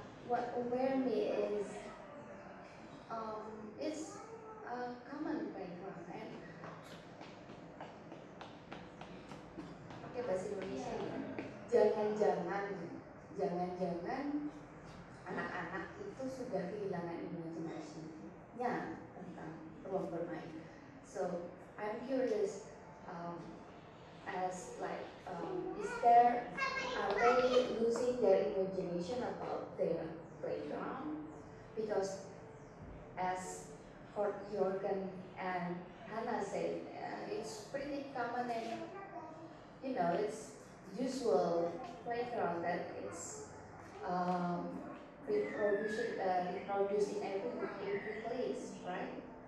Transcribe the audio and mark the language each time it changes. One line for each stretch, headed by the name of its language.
English: aware me is it's a common background, right?
Indonesian: Pakai bahasa Indonesia. Jangan-jangan anak-anak itu sudah kehilangan imajinasinya tentang ruang bermain.
English: So I'm curious, as like, is there, are they losing their imagination about their playground? Because as Jorgen and Hannah said, it's pretty common and, you know, it's usual playground that it's reproducing every place, right?